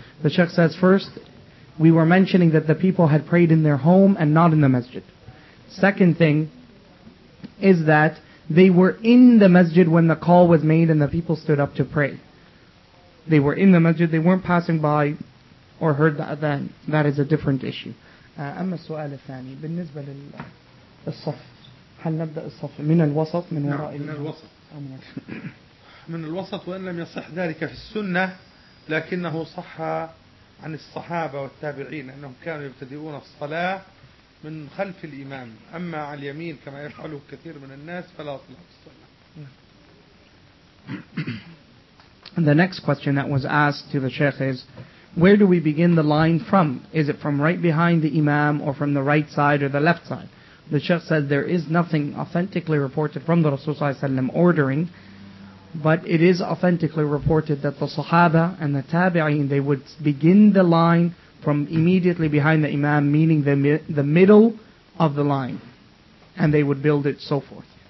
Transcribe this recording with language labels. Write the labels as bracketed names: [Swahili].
[English] The Sheikh says, first, we were mentioning that the people had prayed in their home and not in the masjid. Second thing is that they were in the masjid when the call was made and the people stood up to pray. They were in the masjid, they weren't passing by or heard the adhan. That is a different issue. [Arabic] أما السؤال الثاني بالنسبة لل الصف، هل نبدأ الصف من الوسط من وراء من الوسط وإن لم يصح ذلك في السنة، لكنه صح عن الصحابة والتابعين أنهم كانوا يبتدئون الصلاة من خلف الإمام، أما على اليمين كما يفعله كثير من الناس فلا أطلع الصلاة. [English] The next question that was asked to the Sheikh is: where do we begin the line from? Is it from right behind the Imam or from the right side or the left side? The Sheikh said there is nothing authentically reported from the Rasul Sallallahu Alaihi Wasallam ordering, but it is authentically reported that the Sahaba and the Tabi'een, they would begin the line from immediately behind the Imam, meaning the middle of the line, and they would build it so forth.